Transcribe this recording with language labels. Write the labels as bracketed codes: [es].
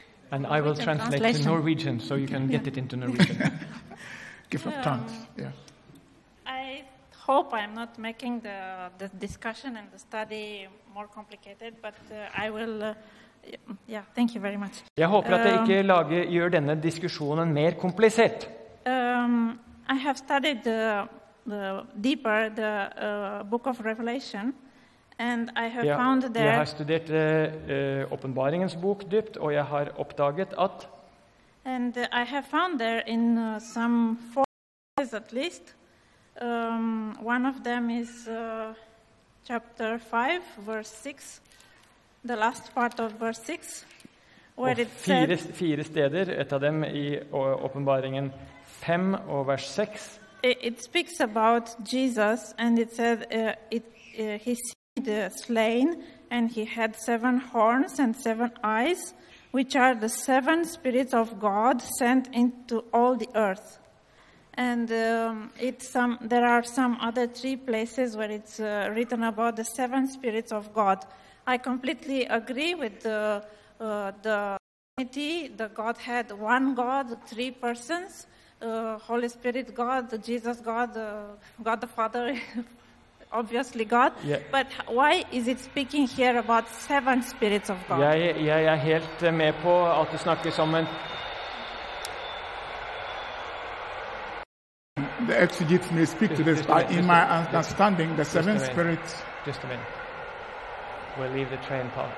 [en] And I will translate to Norwegian, so you can get it into Norwegian. Give up tongues. Yeah. I hope I'm not making the discussion and the study more complicated, but I will. Yeah. Thank you very much. [no] Jeg håper at jeg ikke gjør denne diskusjonen mer komplisert. [en] I have studied the deeper the Book of Revelation. And I have found that [no] jeg har studert Åpenbaringens bok dypt, og jeg har oppdaget at [en] and I have found there in some four verses at least one of them is chapter 5 verse 6 the last part of verse 6 where it says [no] fire steder, et av dem I Åpenbaringen 5 og vers 6 [en] it speaks about Jesus and it said his the slain and he had seven horns and seven eyes which are the seven spirits of God sent into all the earth and there are some other three places where it's written about the seven spirits of God I completely agree with the Trinity the Godhead one God three persons Holy Spirit God Jesus God God the Father Obviously God, but why is it speaking here about seven spirits of God? [no] Jeg helt med på at du snakker som en... [en] The exegetes may speak to this, but in my understanding, the seven spirits... Just a minute. We'll leave the train part.